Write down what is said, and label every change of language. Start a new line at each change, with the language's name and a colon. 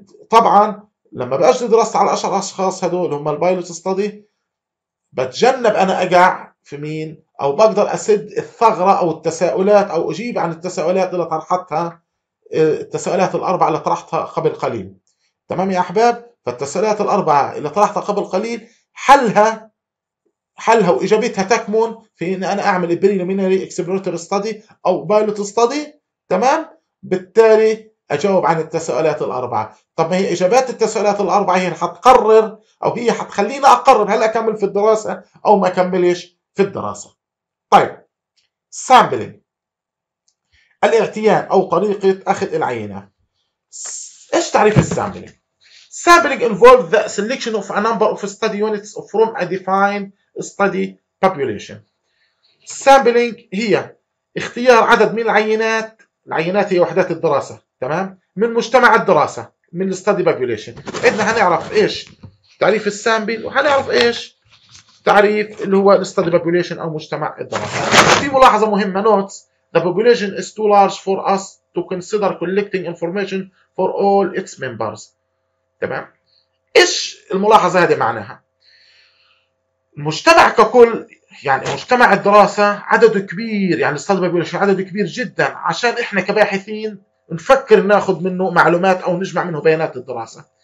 Arabic: طبعا لما بأجري دراسة على 10 أشخاص هدول هم البايلوت ستادي، بتجنب أنا أقع في مين، أو بقدر أسد الثغرة أو التساؤلات، أو أجيب عن التساؤلات اللي طرحتها، التساؤلات الأربعة اللي طرحتها قبل قليل، تمام يا أحباب؟ فالتساؤلات الأربعة اللي طرحتها قبل قليل حلها وإجابتها تكمن في إن أنا أعمل البريليمينري إكسبلوراتوري ستادي أو بايلوت ستادي، تمام؟ بالتالي أجاوب عن التساؤلات الأربعة. طب ما هي إجابات التساؤلات الأربعة هي اللي حتقرر، أو هي حتخليني أقرر هل أكمل في الدراسة أو ما أكملش في الدراسة. طيب، سامبلينج، الاعتيان أو طريقة أخذ العينة. إيش تعريف السامبلينج؟
English: Sampling involves the selection of a number of study units from a defined study population.
Arabic: Sampling هي اختيار عدد من العينات هي وحدات الدراسة، تمام؟ من مجتمع الدراسة، من study population. عندنا هنعرف ايش تعريف السامبل، وهنعرف ايش تعريف اللي هو study population او مجتمع الدراسة. في ملاحظة مهمة،
English: notes: the population is too large for us to consider collecting information for all its members.
Arabic: تمام؟ ايش الملاحظه هذه معناها؟ المجتمع ككل، يعني مجتمع الدراسه عدده كبير، يعني الاستاذ بيقول شيء عدده كبير جدا، عشان احنا كباحثين نفكر ناخذ منه معلومات او نجمع منه بيانات الدراسه.